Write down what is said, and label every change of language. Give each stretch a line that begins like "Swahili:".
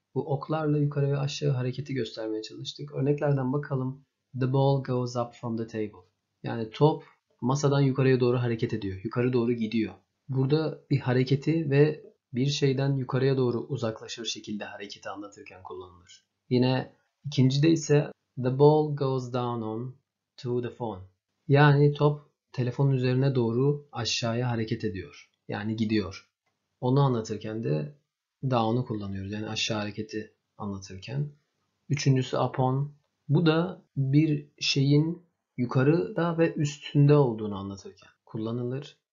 Turkish: Bu oklarla yukarı ve aşağı hareketi göstermeye çalıştık. Örneklerden bakalım.
English: The ball goes up from the table.
Turkish: Yani top masadan yukarıya doğru hareket ediyor. Yukarı doğru gidiyor. Burada bir hareketi ve bir şeyden yukarıya doğru uzaklaşır şekilde hareketi anlatırken kullanılır. Yine İkincide ise
English: the ball goes down on to the phone.
Turkish: Yani top telefonun üzerine doğru aşağıya hareket ediyor. Yani gidiyor. Onu anlatırken de down'u kullanıyoruz. Yani aşağı hareketi anlatırken. Üçüncüsü upon. Bu da bir şeyin yukarıda ve üstünde olduğunu anlatırken kullanılır.